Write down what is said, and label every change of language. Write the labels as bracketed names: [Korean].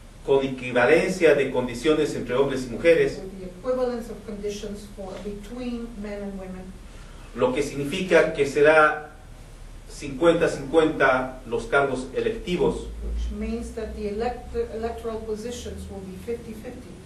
[Spanish] Con equivalencia de condiciones entre hombres y mujeres. [English] With the equivalence of conditions for between men and women. [Spanish] Lo que significa que será 50-50 los cargos electivos. [English] Which means that the electoral positions will be 50-50.